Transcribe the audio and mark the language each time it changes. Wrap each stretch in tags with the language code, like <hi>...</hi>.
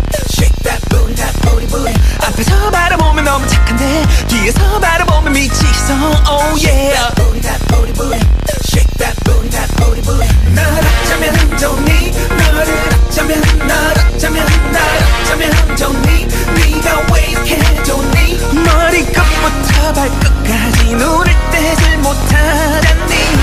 <en>Shake that booty, that booty booty.</en> <ko>앞에서 바라보면 너무 착한데 뒤에서 바라보면 미치겠어.</ko> <en>Oh yeah. Shake that booty, that booty booty. Shake that booty, that booty booty.</en> <ko>나를 어쩌면 안 좋니? 나를 어쩌면 나를 어쩌면 나를 어쩌면 안 좋니? 네가 왜 이렇게 좋니? 머리끝부터 발끝까지 눈을 떼질 못하잖니.</ko>